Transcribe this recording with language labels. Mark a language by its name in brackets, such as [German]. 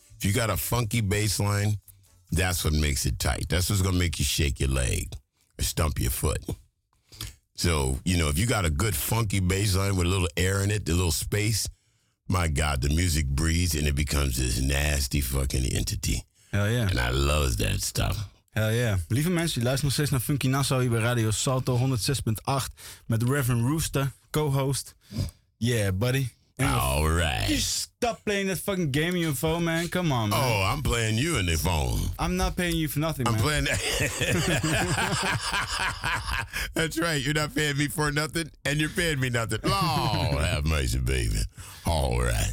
[English] If you got a funky bass line, that's what makes it tight. That's what's going to make you shake your leg or stump your foot. So, you know, if you got a good funky bass line with a little air in it, the little space, my God, the music breathes and it becomes this nasty fucking entity. Hell yeah. And I love that stuff. Hell yeah. [Dutch] Lieve mensen, je luistert nog steeds naar Funky Nassau hier bij Radio Salto 106.8 met Reverend Rooster, co-host. [English] Yeah, buddy. All right. You stop playing that fucking game on your phone, man. Come on, man. Oh, I'm playing you in the phone. I'm not paying you for nothing, I'm man. I'm playing that. That's right. You're not paying me for nothing, and you're paying me nothing. Oh, have mercy, baby. All right.